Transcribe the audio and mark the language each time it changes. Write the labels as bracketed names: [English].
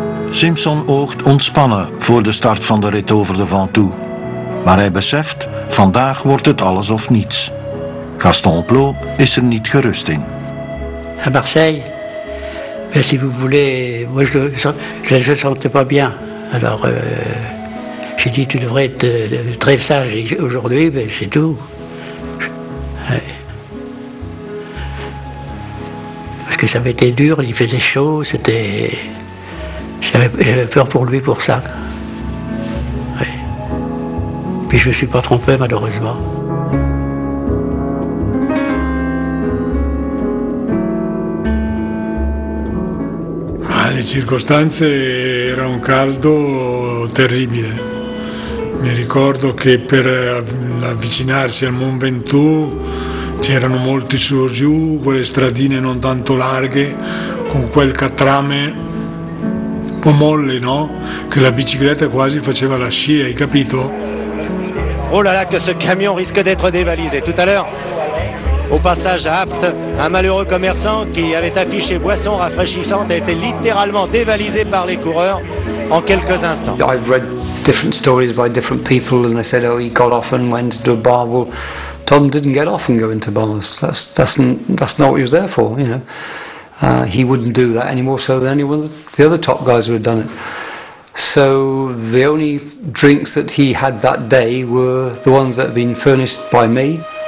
[Dutch] Simpson oogt ontspannen voor de start van de rit over de Ventoux. Maar hij beseft, vandaag wordt het alles of niets. Gaston Plot is er niet gerust in. [French] À Marseille, mais si vous voulez, moi je sentais pas bien. Alors j'ai dit tu devrais être très sage aujourd'hui, mais c'est tout. Parce que ça avait été dur, il faisait chaud, c'était. J'avais peur pour lui pour ça. Ouais. Puis je me suis pas trompé malheureusement. [Italian] Le circostanze era un caldo terribile. Mi ricordo che per avvicinarsi al Mont Ventoux c'erano molti su e giù, quelle stradine non tanto larghe, con quel catrame un po' molle, no? Che la bicicletta quasi faceva la scia, hai capito? [French] Oh là là, che ce camion rischia d'être dévalisé tout à l'heure! Au passage à Apt, un malheureux commerçant qui avait affiché boisson rafraîchissante a été littéralement dévalisé par les coureurs en quelques instants. [English] I've read different stories by different people and they said, oh, he got off and went to a bar. Well, Tom didn't get off and go into bars. That's not what he was there for, you know. He wouldn't do that any more so than anyone, the other top guys would have done it. So the only drinks that he had that day were the ones that had been furnished by me.